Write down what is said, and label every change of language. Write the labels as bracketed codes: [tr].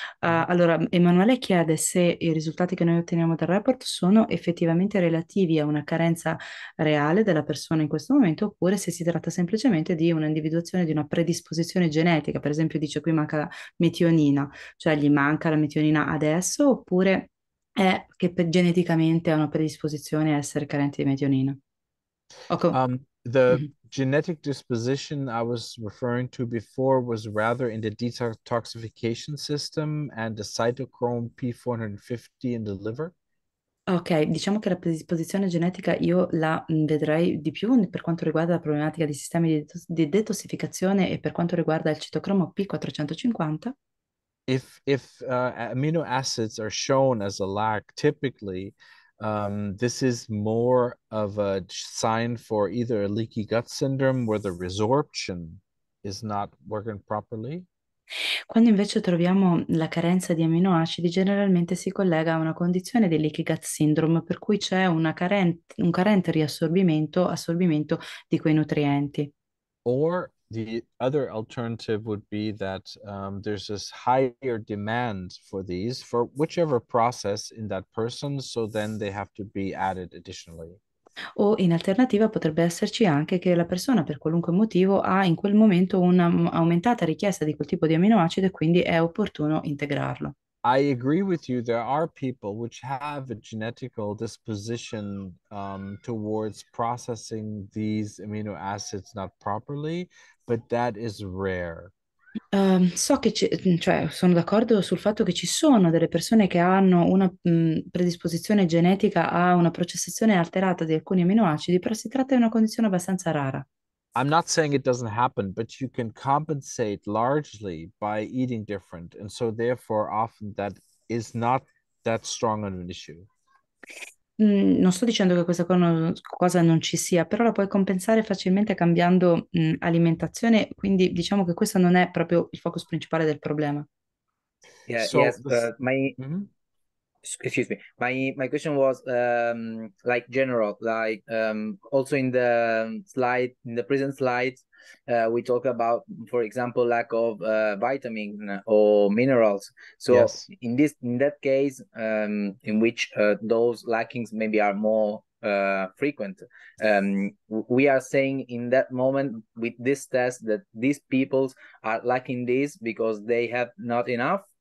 [it] Allora, Emanuele chiede se i risultati che noi otteniamo dal report sono effettivamente relativi a una carenza reale della persona in questo momento oppure se si tratta semplicemente di un'individuazione di una predisposizione genetica. Per esempio, dice qui manca metionina, cioè gli manca la metionina adesso oppure è che geneticamente ha una predisposizione a essere carente di metionina. [en] The genetic disposition I was referring to before was rather in the detoxification system and the cytochrome P450 in the liver. [it] Ok, diciamo che la predisposizione genetica io la vedrei di più per quanto riguarda la problematica dei sistemi di detossificazione e per quanto riguarda il citocromo P450. [en] If amino acids are shown as a lag, typically. This is more of a sign for either a leaky gut syndrome where the resorption is not working properly. [it] Quando invece troviamo la carenza di aminoacidi, generalmente si collega a una condizione del leaky gut syndrome, per cui c'è un carente riassorbimento, assorbimento di quei nutrienti. [en] Or the other alternative would be that there's this higher demand for these for whichever process in that person, so then they have to be added additionally. [it] O in alternativa potrebbe esserci anche che la persona per qualunque motivo ha in quel momento un'aumentata richiesta di quel tipo di aminoacido e quindi è opportuno integrarlo. [en] I agree with you. There are people which have a genetic disposition towards processing these amino acids not properly, but that is rare. [it] So che cioè, sono d'accordo sul fatto che ci sono delle persone che hanno una predisposizione genetica a una processazione alterata di alcuni aminoacidi, però si tratta di una condizione abbastanza rara. [en] I'm not saying it doesn't happen, but you can compensate largely by eating different. And so, therefore, often that is not that strong of an issue. [it] Non sto dicendo che questa cosa non ci sia, però la puoi compensare facilmente cambiando alimentazione, quindi diciamo che questo non è proprio il focus principale del problema. [en] Yeah, So, yes. this. Excuse me. My question was like general, like also in the slide, in the present slide, we talk about, for example, lack of vitamin or minerals. So Yes. in that case, in which those lackings maybe are more frequent, we are saying in that moment with this test that these people are lacking this because they have not enough.